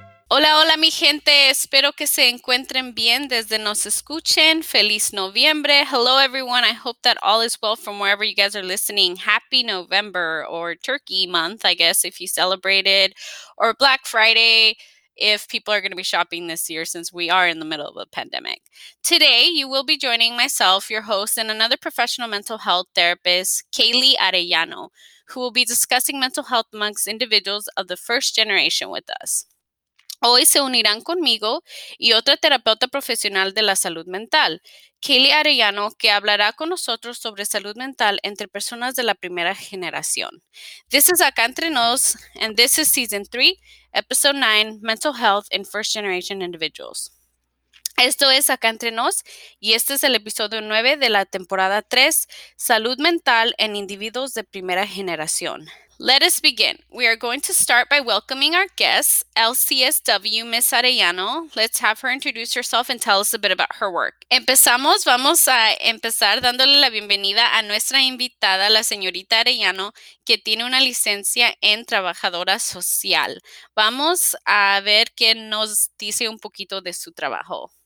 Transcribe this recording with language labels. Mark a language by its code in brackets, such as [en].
[es] Hola, hola mi gente, espero que se encuentren bien desde nos escuchen. Feliz noviembre. [en] Hello everyone, I hope that all is well from wherever you guys are listening. Happy November or Turkey Month, I guess, if you celebrate it, or Black Friday, if people are going to be shopping this year since we are in the middle of a pandemic. Today, you will be joining myself, your host, and another professional mental health therapist, Kaylee Arellano, who will be discussing mental health amongst individuals of the first generation with us. [es] Hoy se unirán conmigo y otra terapeuta profesional de la salud mental, Kaylee Arellano, que hablará con nosotros sobre salud mental entre personas de la primera generación. [en] This is Acá Entre Nos, and this is Season 3, Episode 9, Mental Health in First Generation Individuals. [es] Esto es Acá Entre Nos, y este es el episodio 9 de la temporada 3, Salud Mental en Individuos de Primera Generación. [en] Let us begin. We are going to start by welcoming our guest, LCSW Ms. Arellano. Let's have her introduce herself and tell us a bit about her work. [es] Empezamos, vamos a empezar dándole la bienvenida a nuestra invitada, la señorita Arellano, que tiene una licencia en trabajadora social. Vamos a ver qué nos dice un poquito de su trabajo.